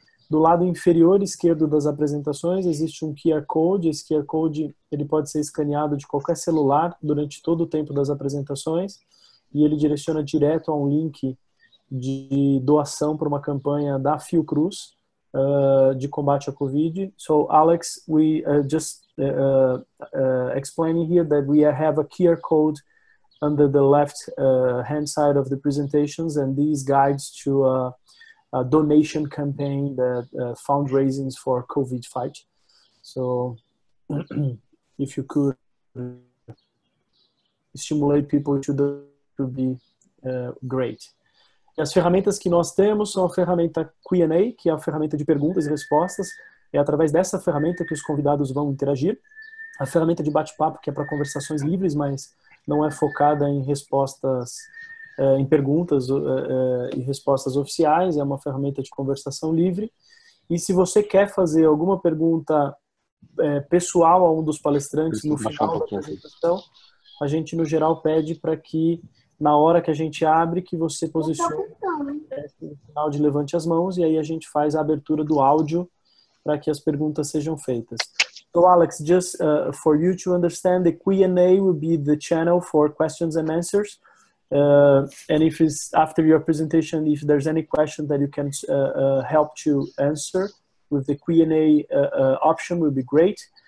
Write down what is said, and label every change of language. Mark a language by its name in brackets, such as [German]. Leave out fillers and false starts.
[Portuguese] Do lado inferior esquerdo das apresentações, existe um QR Code. Esse QR Code, ele pode ser escaneado de qualquer celular durante todo o tempo das apresentações e ele direciona direto a um link de doação para uma campanha da Fiocruz, de combate à Covid. [English] So, Alex, we are just explaining here that we have a QR code under the left hand side of the presentations, and these guides to a donation campaign that fundraisings for COVID fight. So, if you could stimulate people to do, to be great. [Portuguese] As ferramentas que nós temos são a ferramenta Q&A, que é a ferramenta de perguntas e respostas. É através dessa ferramenta que os convidados vão interagir. A ferramenta de bate-papo, que é para conversações livres, mas não é focada em respostas, em perguntas e respostas oficiais. É uma ferramenta de conversação livre. E se você quer fazer alguma pergunta pessoal a um dos palestrantes no Preciso baixar um final da pouquinho aqui. apresentação, a gente, no geral, pede para que, na hora que a gente abre, que você posicione o sinal de levante as mãos, e aí a gente faz a abertura do áudio para que as perguntas sejam feitas. [English] So, Alex, just for you to understand, the Q&A will be the channel for questions and answers. And if it's after your presentation, if there's any question that you can help to answer with the Q&A option, will be great.